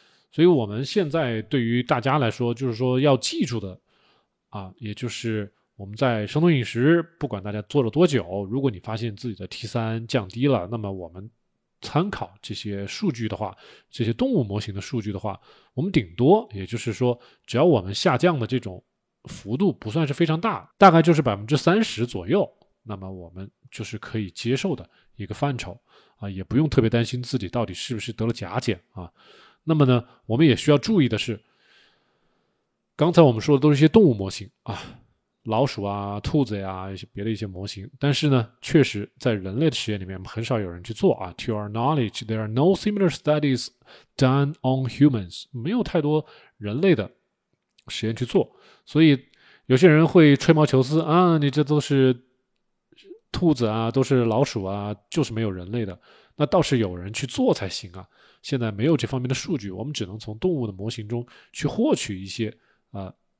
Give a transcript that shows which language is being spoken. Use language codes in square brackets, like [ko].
[zh] 所以我们现在对于大家来说就是说要记住的也就是我们在生酮饮食不管大家做了多久，如果你发现自己的 T3 降低了，那么我们参考这些数据的话，这些动物模型的数据的话，我们顶多也就是说只要我们下降的这种幅度不算是非常大，大概就是 30% 左右，那么我们就是可以接受的一个范畴也不用特别担心自己到底是不是得了甲减那么呢，我们也需要注意的是，刚才我们说的都是一些动物模型啊，老鼠啊、兔子呀、一些别的一些模型，但是呢，确实在人类的实验里面很少有人去做啊。 [en] To our knowledge, there are no similar studies done on humans. [zh] 没有太多人类的实验去做，所以有些人会吹毛求疵啊，你这都是兔子啊，都是老鼠啊，就是没有人类的。那倒是有人去做才行啊。现在没有这方面的数据，我们只能从动物的模型中去获取一些啊。